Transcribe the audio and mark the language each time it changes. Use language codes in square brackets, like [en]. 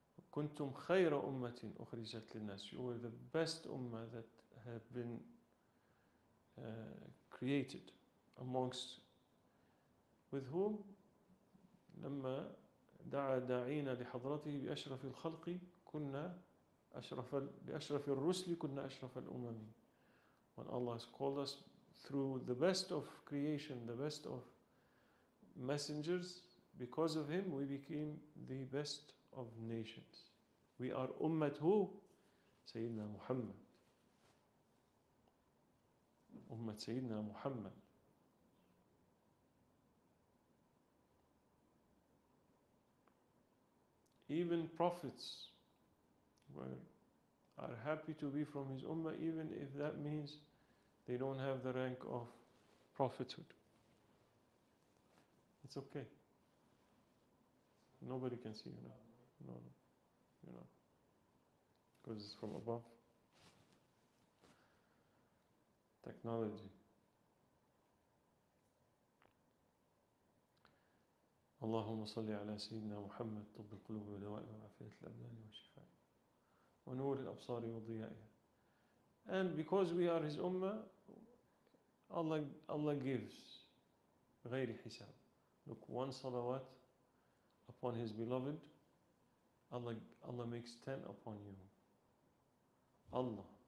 [ar] كنتم خير أمة أخرجت للناس. [en] You were the best ummah that have been created amongst, with whom [ar] لما دعا داعينا لحضرته بأشرف الخلق كنا أشرف بأشرف الرسل كنا أشرف الأمم. [en] When Allah has called us through the best of creation, the best of messengers, because of him we became the best of nations. We are ummat who? Sayyidina Muhammad. Ummat Sayyidina Muhammad. Even prophets are happy to be from his ummah, even if that means they don't have the rank of prophethood. It's okay. Nobody can see you now. No. You know. Because it's from above. Technology. [ar] اللهم صل على سيدنا محمد طب القلوب ودواء وعافية الأبدان وشفائها ونور الأبصار وضيائها. [en] And because we are his ummah, Allah gives [ar] غير حساب. [en] Look, one salawat upon his beloved, Allah makes 10 upon you. Allah.